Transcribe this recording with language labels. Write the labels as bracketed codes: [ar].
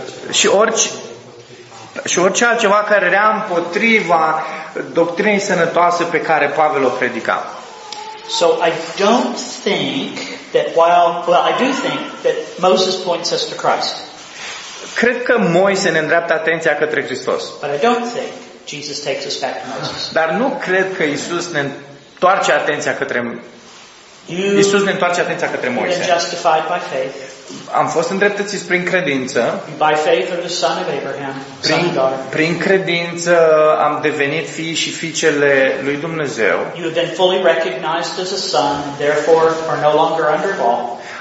[ro] Și orice altceva care era împotriva doctrinei sănătoase pe care Pavel o predica. [en] So I don't think that I do think that Moses points us to Christ. [ro] Cred că Moise ne îndreaptă atenția către Hristos. [en] But I don't think Jesus takes us back to Moses. [ro] Dar nu cred că Iisus ne întoarce atenția către Iisus ne întoarce atenția către Moise. [en] Justified by faith. [ro] Am fost îndreptățiți prin credință. [en] By faith of the son of Abraham. [ro] Prin credință am devenit fii și fiicele lui Dumnezeu. [en] You have been fully recognized as a son, therefore are no longer under law.